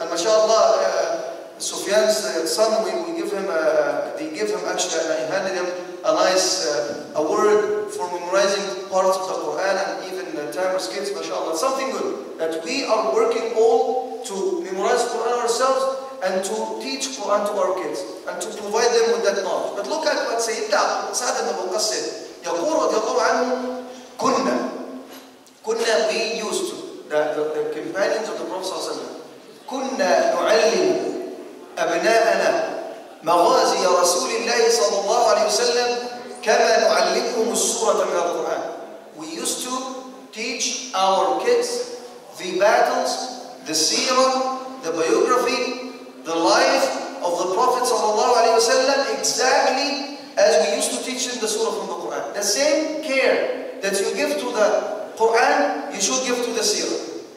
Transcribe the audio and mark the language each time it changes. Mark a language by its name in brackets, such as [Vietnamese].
[English] And mashallah, Sufyan's son, they give him a nice award for memorizing parts of the Quran, and even Tamil's kids, mashallah. Something good that we are working all to memorize Quran ourselves and to teach Quran to our kids and to provide them with that knowledge. But look at what Sayyidina Sa'd ibn Waqqas said. [Arabic] يقول رضي الله عنه كنا [English] we used to, the companions of the Prophet [Arabic] صلى الله عليه وسلم, كنا نعلم أبناءنا مغازي رسول الله صلى الله عليه وسلم كما نعلمهم السورة من القرآن. [English] We used to teach our kids the battles, the seerah, the biography, the life of the Prophet [Arabic] صلى الله عليه وسلم [English] exactly as we used to teach in the surah from the Quran. The same care that you give to the Quran, you should give to the seerah.